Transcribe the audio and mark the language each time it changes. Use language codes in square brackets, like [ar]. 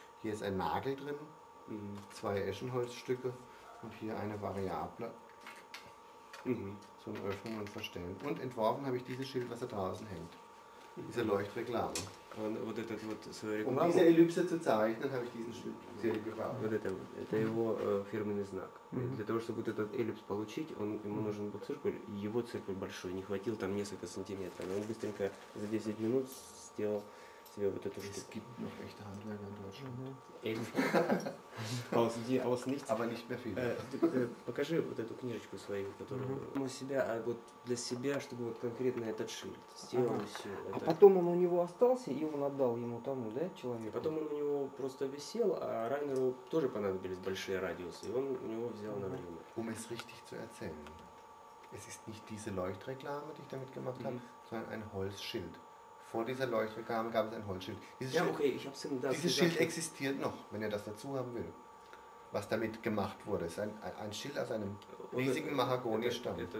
[de] Hier ist ein Nagel drin, zwei Eschenholzstücke und hier eine Variable zum Öffnen und Verstellen. Und entworfen habe ich dieses Schild, was da draußen hängt. Diese Leuchtreklame. Und das wird so um diese Ellipse zu zeichnen, habe ich diesen Schild gebraucht. Das ist der Firmenname. [ru] Для того, чтобы вот этот эллипс получить, он, ему нужен был циркуль, его циркуль большой, не хватило там несколько сантиметров. Он быстренько за 10 минут сделал себе вот эту штуку. [de] Es gibt noch echte Handwerker in Deutschland. aus nichts. Aber nicht mehr viele. [ru] Покажи вот эту книжечку свою, которую... Mm-hmm. Себя, а вот для себя, чтобы вот конкретно этот шильд сделал все это. А потом он у него остался, и он отдал ему тому, да, человеку? Потом он у него просто висел, а Райнеру тоже понадобились большие радиусы, и он у него взял на время. [de] Es richtig zu erzählen, es ist nicht diese Leuchtreklame, die ich damit gemacht habe, sondern ein Holzschild. Vor dieser Leuchtreklame gab es ein Holzschild. Dieses Schild existiert noch, wenn er das dazu haben will. Was damit gemacht wurde, ist ein Schild aus einem riesigen Mahagoni-Stamm.